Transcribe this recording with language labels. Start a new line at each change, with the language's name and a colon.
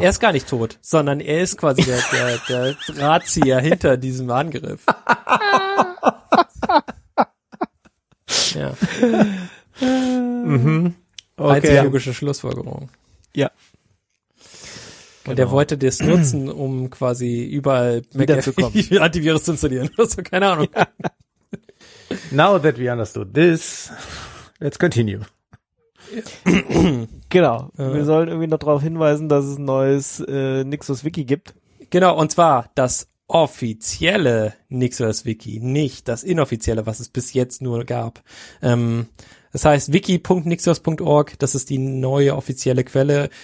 German: Er ist gar nicht tot, sondern er ist quasi der Drahtzieher hinter diesem Angriff. Ja. Okay. Einzige logische Schlussfolgerung. Ja. Und genau. Er wollte das nutzen, um quasi überall wiederzukommen, Antivirus zu installieren. Also, keine Ahnung. Ja.
English: Now that we understood this, let's continue.
German: Genau. Wir sollen irgendwie noch darauf hinweisen, dass es ein neues Nixos Wiki gibt. Genau, und zwar das offizielle Nixos Wiki, nicht das inoffizielle, was es bis jetzt nur gab. Das heißt wiki.nixos.org, das ist die neue offizielle Quelle.